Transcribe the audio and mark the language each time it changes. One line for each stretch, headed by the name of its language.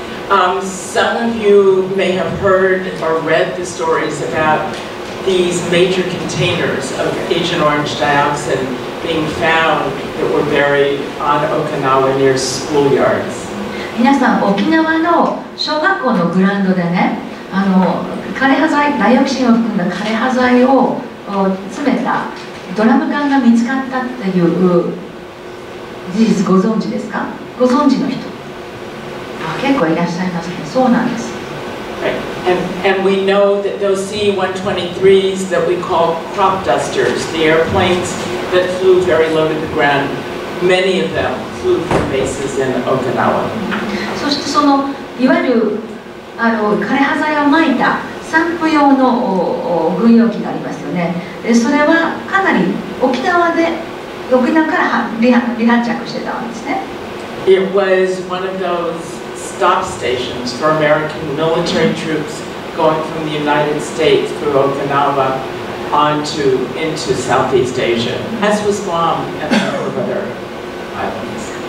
English: Some of you may have heard or read the stories about these major containers of Agent Orange dioxin. Being found that were buried on Okinawa near school yards.
Japanese: 皆さん、沖縄の小学校のグラウンドでね、あの枯葉剤、ダイオキシンを含んだ枯葉剤を詰めたドラム缶が見つかったっていう事実ご存知ですか？ご存知の人？あ、結構いらっしゃいますね。そうなんです。
English: Right. And we know that those C-123s that we call crop dusters, the airplanes that flew very low to the ground, many of them flew from bases in Okinawa.
Japanese: そしてそのいわゆるあの枯葉剤をまいた散布用の軍用機がありますよね。でそれはかなり沖縄で沖縄から離発着してたわけですね。
English: It was one of those. Stop stations for American military troops going from the United States through Okinawa onto into Southeast Asia, as was Guam and other islands.